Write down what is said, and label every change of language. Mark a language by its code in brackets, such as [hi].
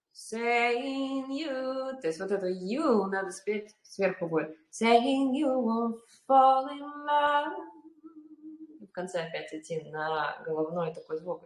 [en] Saying you, [ru] то есть вот это you надо спеть сверху будет. [en] Saying you won't fall in love. [ru] В конце опять идти на головной такой звук.